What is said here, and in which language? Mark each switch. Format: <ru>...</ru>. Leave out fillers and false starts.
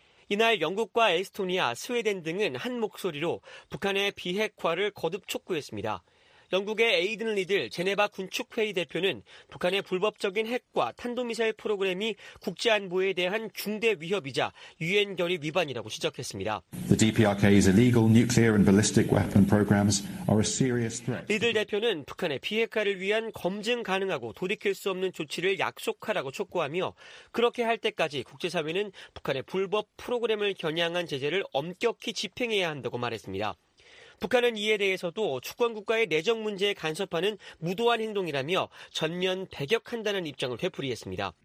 <ko>이날 영국과 에스토니아, 스웨덴 등은 한 목소리로 북한의 비핵화를 거듭 촉구했습니다. 영국의 에이든 리들 제네바 군축회의 대표는 북한의 불법적인 핵과 탄도미사일 프로그램이 국제안보에 대한 중대 위협이자 유엔 결의 위반이라고 지적했습니다.</ko> <en>The DPRK's illegal nuclear and ballistic weapon programs are a serious threat.</en> <ko>리들 대표는 북한의 비핵화를 위한 검증 가능하고 돌이킬 수 없는 조치를 약속하라고 촉구하며 그렇게 할 때까지 국제사회는 북한의 불법 프로그램을 겨냥한 제재를 엄격히 집행해야 한다고 말했습니다. 북한은 이에 대해서도 주권국가의 내정 문제에 간섭하는 무도한 행동이라며 전면 배격한다는 입장을 되풀이했습니다.</ko>